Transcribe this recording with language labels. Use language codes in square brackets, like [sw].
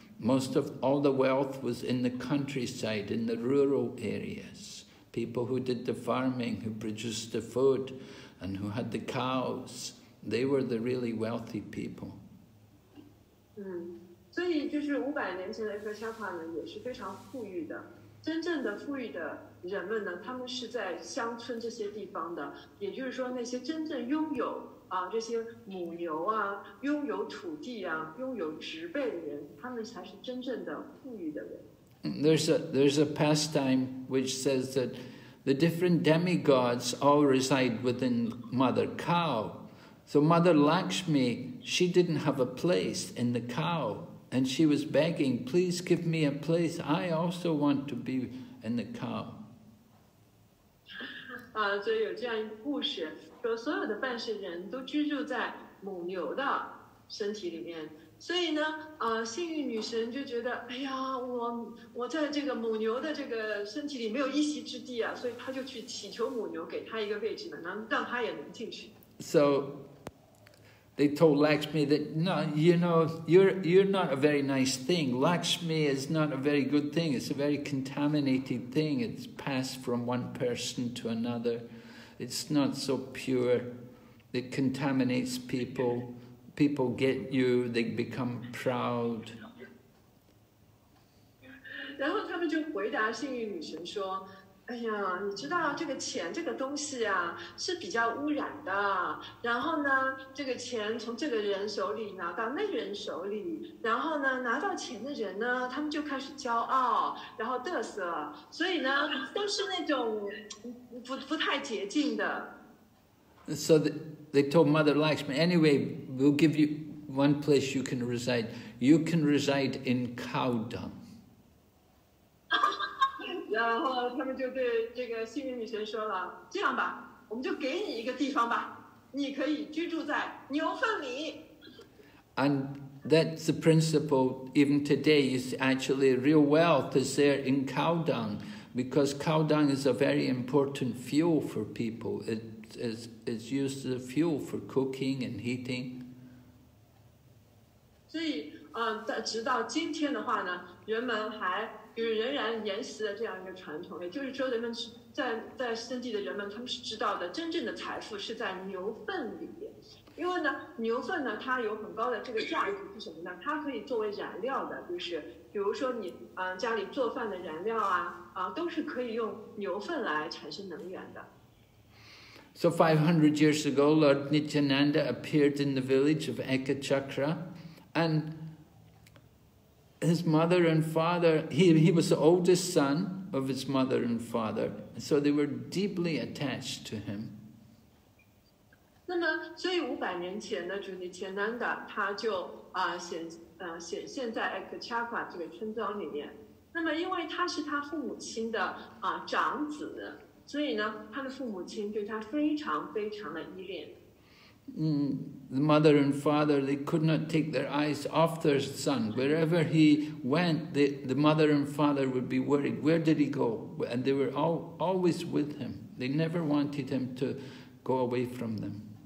[en] Most of all the wealth was in the countryside, in the rural areas. People who did the farming, who produced the food, and who had the cows, they were the really wealthy people. [zh] 所以就是500年前的一个沙卡呢，也是非常富裕的。真正的富裕的人们呢，他们是在乡村这些地方的，也就是说那些真正拥有这些母牛啊，拥有土地啊，拥有植被的人，他们才是真正的富裕的人。 [en] There's a pastime which says that the different demigods all reside within Mother Cow. So Mother Lakshmi, she didn't have a place in the cow, and she was begging, "Please give me a place. I also want to be in the cow." [zh] 所以有这样一个故事。说所有的半世人都居住在母牛的身体里面，所以呢，幸运女神就觉得，哎呀，我在这个母牛的这个身体里没有一席之地啊，所以她就去祈求母牛给她一个位置呢，能让她也能进去。 [en] So they told Lakshmi that no, you know, you're not a very nice thing. Lakshmi is not a very good thing. It's a very contaminated thing. It's passed from one person to another. It's not so pure. It contaminates people. People get you, they become proud. [zh] 然后他们就回答幸运女神说，哎呀，你知道这个钱这个东西啊是比较污染的，然后呢这个钱从这个人手里拿到那人手里，然后呢拿到钱的人呢他们就开始骄傲然后嘚瑟，所以呢都是那种 不太洁净的。 [en] So they told Mother Lakshmi, anyway, we'll give you one place you can reside. You can reside in cow dung. [zh] 然后他们就对这个幸运女神说了，这样吧，我们就给你一个地方吧，你可以居住在牛粪里。 [en] And that's the principle even today. You see, actually real wealth is there in cow dung, because cow dung is a very important fuel for people. It's used as a fuel for cooking and heating. [zh] 所以直到今天的话呢，人们还就是仍然沿袭的这样一个传统，也就是说，人们是在圣地的人们，他们是知道的，真正的财富是在牛粪里面。因为呢，牛粪呢，它有很高的这个价值，是什么呢？它可以作为燃料的，就是比如说你家里做饭的燃料都是可以用牛粪来产生能源的。 [en] So 500 years ago, Lord Nityananda appeared in the village of Ekachakra, and his mother and father, he was the oldest son of his mother and father, so they were deeply attached to him. [zh] 那么所以500年前的主尼前南达他就显现在 Ekachakra 这个村庄里面，那么因为他是他父母亲的长子，所以呢他的父母亲对他非常非常的依恋。 [en] the mother and father, they could not take their eyes off their son. Wherever he went, the mother and father would be worried. Where did he go? And they were always with him. They never wanted him to go away from them.